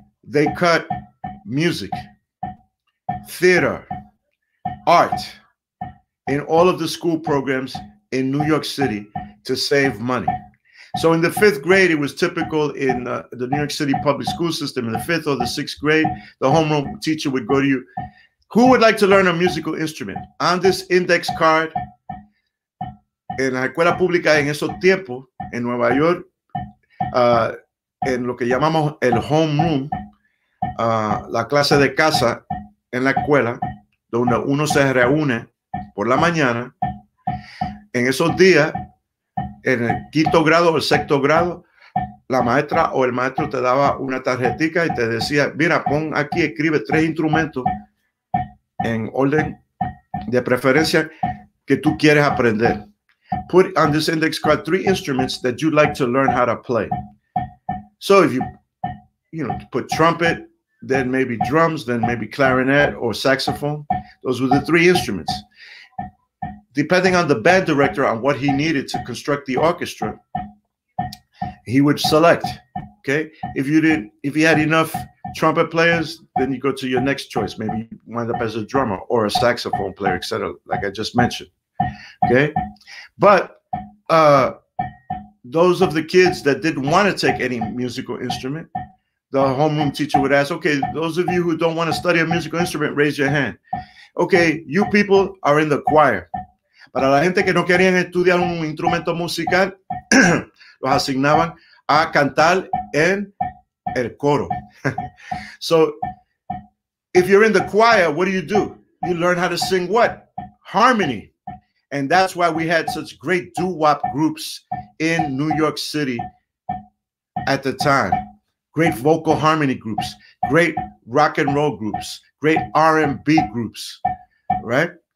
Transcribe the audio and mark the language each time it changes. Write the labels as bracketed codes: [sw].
[en] They cut music, theater, art, in all of the school programs in New York City to save money. So in the fifth grade, it was typical in the New York City public school system. In the fifth or the sixth grade, the homeroom teacher would go to you. Who would like to learn a musical instrument? On this index card, [es] en la escuela pública en esos tiempos, en Nueva York, en lo que llamamos el homeroom, la clase de casa en la escuela, donde uno se reúne por la mañana, en esos días, en el quinto grado o el sexto grado, la maestra o el maestro te daba una tarjetica y te decía, mira, pon aquí, escribe tres instrumentos en orden de preferencia que tú quieres aprender. [en] Put on this index card three instruments that you'd like to learn how to play. So if you put trumpet, then maybe drums, then maybe clarinet or saxophone, those were the three instruments. Depending on the band director on what he needed to construct the orchestra, he would select, okay? If he had enough trumpet players, then you go to your next choice. Maybe you wind up as a drummer or a saxophone player, et cetera, like I just mentioned, okay? But those of the kids that didn't want to take any musical instrument, the homeroom teacher would ask, okay, those of you who don't want to study a musical instrument, raise your hand. Okay, you people are in the choir. [es] Para la gente que no querían estudiar un instrumento musical, los asignaban a cantar en el coro. [en] So, if you're in the choir, what do? You learn how to sing what? Harmony. And that's why we had such great doo-wop groups in New York City at the time. Great vocal harmony groups, great rock and roll groups, great R&B groups, right?